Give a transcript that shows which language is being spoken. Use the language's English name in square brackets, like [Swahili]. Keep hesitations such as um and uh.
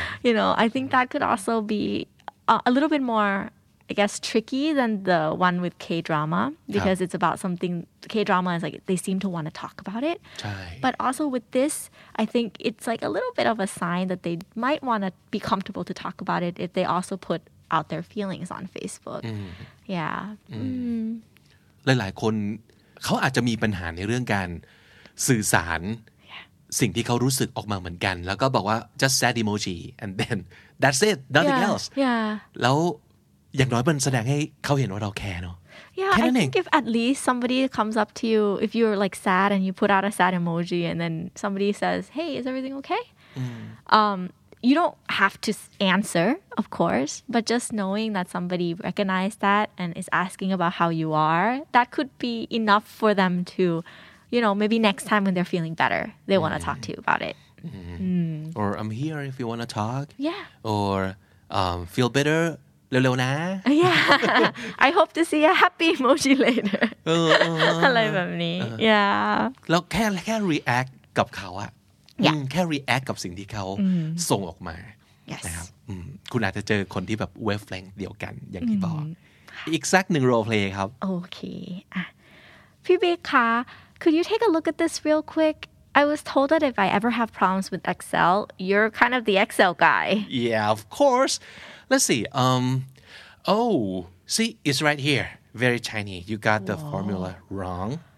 [English] you know, I think that could also be a, a little bit more, I guess, tricky than the one with K drama because it's about something. K drama is like they seem to want to talk about it, Right. but also with this, I think it's like a little bit of a sign that they might want to be comfortable to talk about it if they also put out their feelings on Facebook. Yeah, [Thai] หลาย ๆ คนเขาอาจจะมีปัญหาในเรื่องการสื่อสารสิ่งที่เขารู้สึกออกมาเหมือนกัน แล้วก็บอกว่า [English] just sad emoji and then that's it nothing yeah, else Yeah. [Thai] แล้วอย่างน้อยมันแสดงให้เขาเห็นว่าเราแคร์เนาะ [English] Yeah, Can I I- think if at least somebody comes up to you, if you're like sad and you put out a sad emoji, and then somebody says, "Hey, is everything okay?" Um, you don't have to s- answer, of course, but just knowing that somebody recognized that and is asking about how you are, that could be enough for them to, you know, maybe next time when they're feeling better, they want to talk to you about it. or I'm here if you wanna talk Yeah. or um, feel better [Thai] เร็วๆนะ [English] Yeah. I hope to see a happy emoji later. [Thai] เออเออ อะไรแบบนี้ Yeah. แล้วแค่แค่ react กับเขาอะ อยาก อืมแค่ react กับสิ่งที่เขาส่งออกมา [English] Yes [Thai] นะครับอืมคุณอาจจะเจอคนที่แบบ wavelength เดียวกันอย่างที่บอก อีกสักหนึ่ง role play ครับ [English] Okay. Ah. Pibeka, could you take a look at this real quick? I was told that if I ever have problems with Excel, you're kind of the Excel guy. Yeah, of course. Let's see. Um, oh, see, it's right here. Very tiny. You got the formula wrong.